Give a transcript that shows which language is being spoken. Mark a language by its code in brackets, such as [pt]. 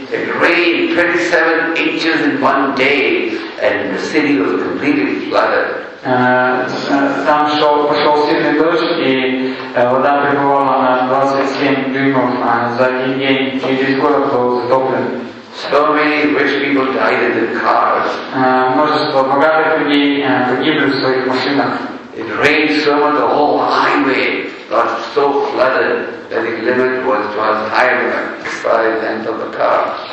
[en] It rained 27 inches in one day, and the city was completely flooded. [ru] Там пошел сильный дождь, и вода прибывала на 27 дюймов за один день, через город был затоплен. [en] So many rich people died in their cars. [ru] Множество богатых людей погибли в своих машинах. [en] It rained so much, the whole highway got so flooded that the limit was higher by the length of the car.